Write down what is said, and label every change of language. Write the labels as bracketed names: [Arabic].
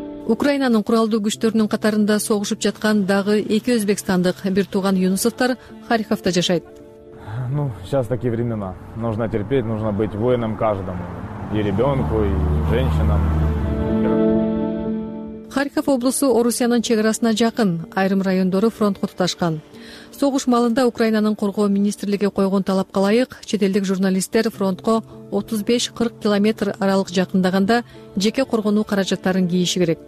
[Kyrgyz] Украинанын куралдуу күчтөрүнүн катарында согушуп жаткан дагы эки өзбекстандык бир тууган Юнусовтор Харьковто жашайт. [Russian] Ну, сейчас такие времена. Нужно терпеть, нужно быть воином каждому. И ребенку, и женщинам. [Kyrgyz] Харьков облусу Орусиянын чек арасына жакын, айрым райондору фронтко туташкан. Согуш маалында Украинанын коргоо министрлиги койгон талапка ылайык, чет элдик журналисттер фронтко 35-40 километр аралык жакындаганда жеке коргонуу каражаттарын кийиши керек.